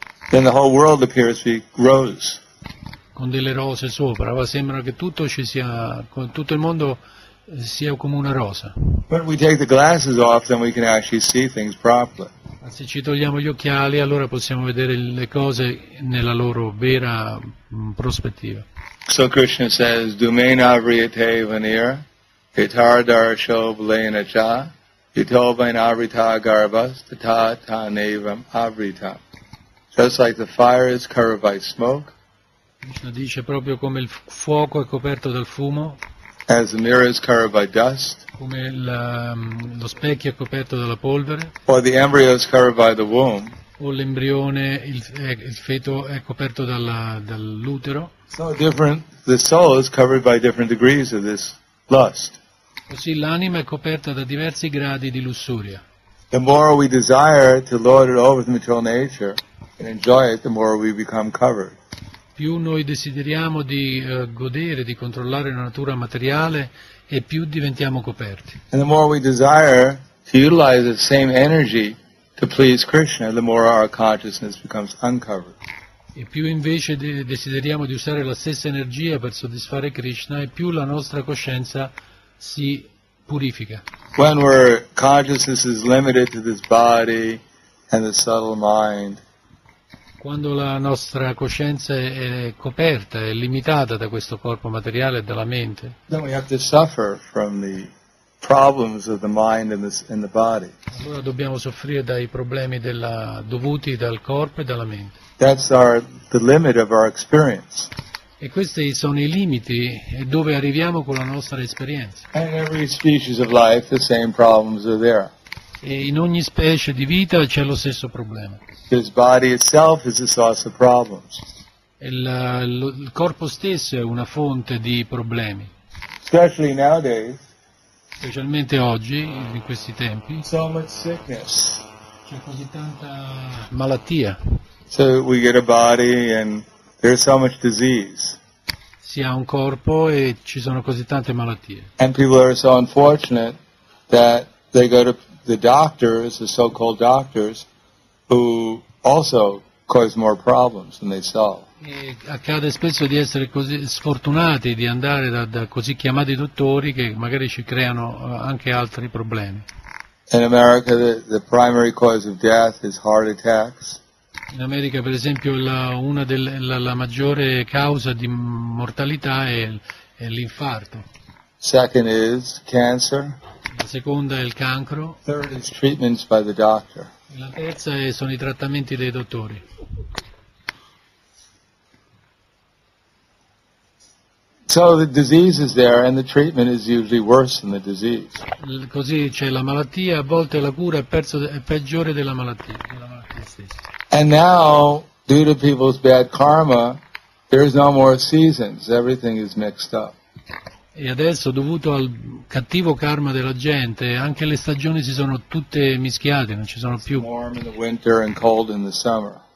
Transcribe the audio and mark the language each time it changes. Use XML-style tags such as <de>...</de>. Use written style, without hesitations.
<en>Then the whole world appears to be rose.</en> <it>Con delle rose sopra, ma sembra che tutto ci sia, tutto il mondo sia come una rosa.</it> <en>But we take the glasses off, then we can actually see things properly.</en> <it>Ma se ci togliamo gli occhiali, allora possiamo vedere le cose nella loro vera prospettiva.</it> <en>So Krishna says,</en> <sa>Dumena vriyate vanir, etar darsho vlena cha, itobain avrita garbas, tata tanevam avrita.</sa> <en>Just like the fire is covered by smoke.</en> <it>Krishna dice proprio come il fuoco è coperto dal fumo.</it> <en>As the mirror is covered by dust,</en> <it>come lo specchio è coperto dalla polvere,</it> <en>or the embryo is covered by the womb,</en> <it>o l'embrione, il feto è coperto dall'utero.</it> <en>So different, the soul is covered by different degrees of this lust.</en> <it>Così l'anima è coperta da diversi gradi di lussuria.</it> <en>The more we desire to lord it over the material nature and enjoy it, the more we become covered.</en> <it>Più noi desideriamo di godere, di controllare la natura materiale, e più diventiamo coperti.</it> <en>And the more we desire to utilize the same energy to please Krishna, the more our consciousness becomes uncovered.</en> <it>E più invece desideriamo di usare la stessa energia per soddisfare Krishna, e più la nostra coscienza si purifica.</it> <en>When our consciousness is limited to this body, and the subtle mind.</en> <it>Quando la nostra coscienza è coperta, è limitata da questo corpo materiale e dalla mente,</it> <en>then we have to suffer from the problems of the mind and the body.</en> <it>Allora dobbiamo soffrire dai problemi dovuti dal corpo e dalla mente.</it> <en>That's the limit of our experience.</en> <it>E questi sono i limiti dove arriviamo con la nostra esperienza.</it> <en>And every species of life, the same problems are there.</en> <it>E in ogni specie di vita c'è lo stesso problema.</it> <en>This body itself is a source of problems.</en> <it>Il corpo stesso è una fonte di problemi.</it> <en>Especially nowadays.</en> <it>Specialmente oggi, in questi tempi.</it> <en>So much sickness.</en> <it>C'è così tanta malattia.</it> <en>So we get a body and there's so much disease.</en> <it>Si ha un corpo e ci sono così tante malattie.</it> <en>And people are so unfortunate that they go to the doctors, the so-called doctors, who also cause more problems than they solve.</en> <it>E accade spesso di essere così sfortunati di andare da così chiamati dottori che magari ci creano anche altri problemi.</it> <en>In America, the primary cause of death is heart attacks.</en> <it>In America, per esempio, la maggiore causa di mortalità è l'infarto.</it> <en>Second is cancer.</en> <it>La seconda è il cancro.</it> <en>Third is treatments by the doctor.</en> <it>La terza sono i trattamenti dei dottori.</it> <en>So the disease is there and the treatment is usually worse than the disease.</en> <it>Così c'è la malattia, a volte la cura è peggiore della malattia.</it> <en>And now, due to people's bad karma, there is no more seasons, everything is mixed up.</en> <it>E adesso, dovuto al cattivo karma della gente, anche le stagioni si sono tutte mischiate, non ci sono più.</it> <en>It's warm in the winter and cold in the summer.</en>